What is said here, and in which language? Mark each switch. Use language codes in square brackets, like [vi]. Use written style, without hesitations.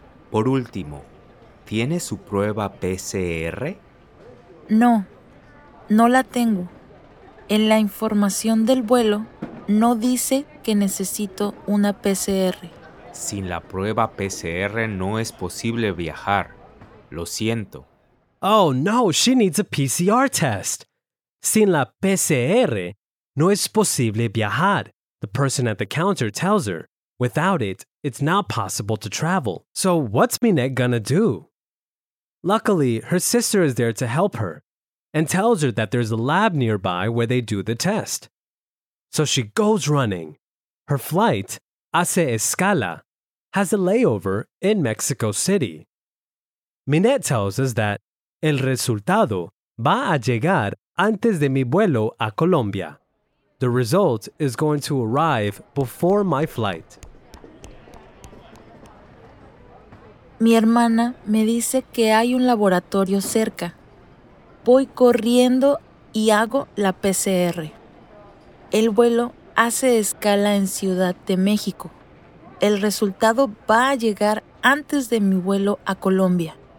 [es] Por último, ¿tiene su prueba PCR? No, no la tengo. En la información del vuelo no dice que necesito una PCR. Sin la prueba PCR no es posible viajar. Lo siento. [en] Oh no, she needs a PCR test. [es] Sin la PCR no es posible viajar, [en] the person at the counter tells her. Without it, it's not possible to travel. So what's Minette gonna do? Luckily, her sister is there to help her and tells her that there's a lab nearby where they do the test. So she goes running. Her flight, Hace Escala, has a layover in Mexico City. Minette tells us that [es] el resultado va a llegar antes de mi vuelo a Colombia. [en] The result is going to arrive before my flight. [es] Mi hermana me dice que hay un laboratorio cerca. Voy corriendo y hago la PCR. El vuelo hace escala en Ciudad de México. El resultado va a llegar antes de mi vuelo a Colombia.